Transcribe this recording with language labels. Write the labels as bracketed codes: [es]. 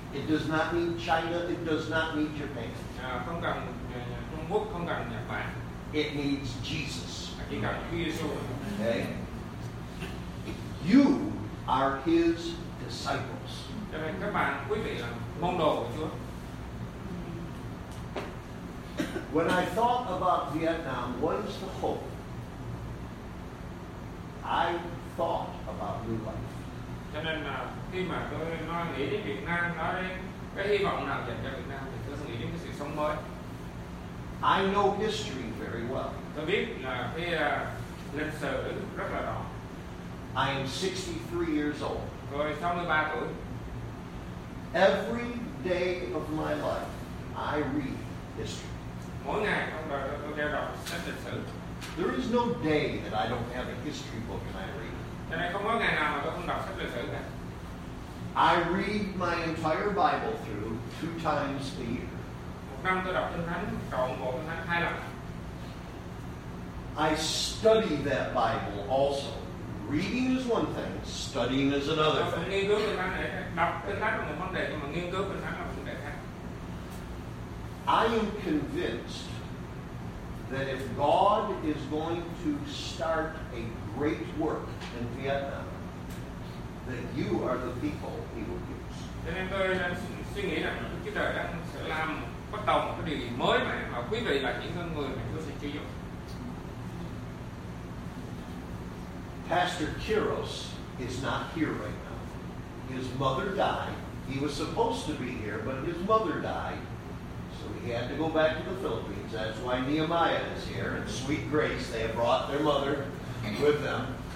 [en] It does not need China. It does not need Japan. [vi] Không cần Trung Quốc, không cần Nhật Bản. [en] It needs Jesus. [vi] Chỉ cần Chúa Giêsu. [en] Okay. You are His disciples. [vi] Cho nên các bạn, quý vị là môn đồ của Chúa. [en] When I thought about Vietnam, what is the hope? I thought about new life. [vi] Cho nên là khi mà tôi nói nghĩ đến Việt Nam, nói đến cái hy vọng nào dành cho Việt Nam, thì tôi nghĩ đến cái sự sống mới. [en] I know history very well. [vi] Tôi biết là cái lịch sử rất là rõ. [en] I am 63 years old. [vi] Tôi 63 tuổi. [en] Every day of my life, I read history. [vi] Mỗi ngày trong đời tôi đều đọc sách lịch sử. [en] There is no day that I don't have a history book and I read. [vi] Cho nên không có ngày nào mà tôi không đọc sách lịch sử cả. [en] I read my entire Bible through 2 times a year. [vi] Một năm tôi đọc Kinh Thánh trọn bộ Kinh Thánh 2 lần. [en] I study that Bible also. Reading is one thing, studying is another thing. [vi] Nghiên cứu Kinh Thánh này, đọc Kinh Thánh là một vấn đề, nhưng mà nghiên cứu Kinh Thánh là một vấn đề khác. [en] I am convinced that if God is going to start a great work in Vietnam, that you are the people He will use. [vi] Cho nên tôi suy nghĩ rằng Đức Chúa Trời đang sẽ làm bắt đầu một cái điều gì mới mà quý vị là những con người mà Chúa sẽ sử dụng. [en] Pastor Kiros is not here right now. His mother died. He was supposed to be here, but his mother died So he had to go back to the Philippines. That's why Nehemiah is here. And Sweet Grace, they have brought their mother with them.